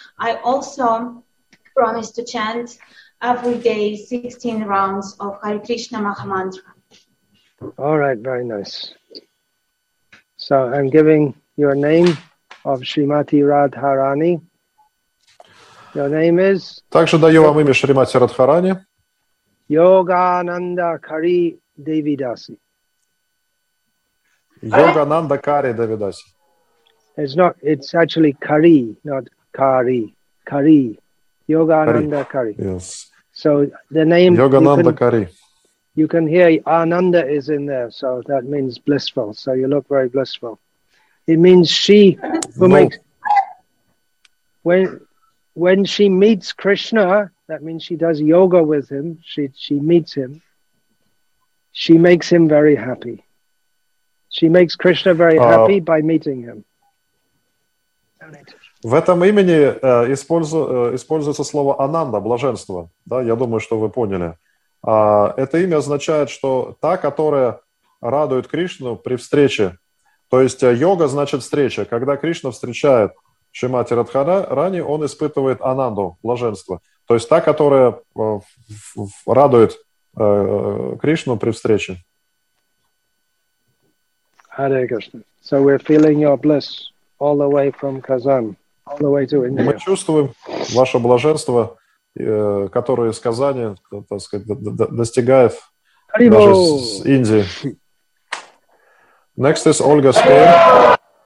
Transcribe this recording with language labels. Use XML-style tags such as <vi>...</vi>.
<en>I also promise to chant every day 16 rounds of Hare Krishna Maha Mantra. All right, very nice. So I'm giving your name of Srimati Radharani. Your name is...</en> <ru>Также даю вам имя Шримати Радхарани. Йогананда Кари Девидаси. Йогананда Кари Девидаси.</ru> <en>It's actually Кари, not Кари. Кари.</en> <ru>Йогананда Кари.</ru> <en>Yes. So the name...</en> <ru>Йогананда Кари.</ru> <en>You can hear Ananda is in there, so that means blissful. So you look very blissful. It means she who makes... When she meets Krishna, that means she does yoga with him, she meets him, she makes him very happy. She makes Krishna very happy by meeting him.</en> <ru>В этом имени используется слово Ананда, блаженство. Да, я думаю, что вы поняли. Это имя означает, что та, которая радует Кришну при встрече. То есть йога значит встреча. Когда Кришна встречает Шримати Радхарани, он испытывает ананду, блаженство. То есть та, которая радует Кришну при встрече.</ru> <en>Hare Krishna. So we're feeling your bliss all the way from Kazan, all the way to India.</en> <ru>Мы чувствуем ваше блаженство, которое из Казани, так сказать, достигает даже с Индии.</ru> <en>Next is Olga Spain.</en>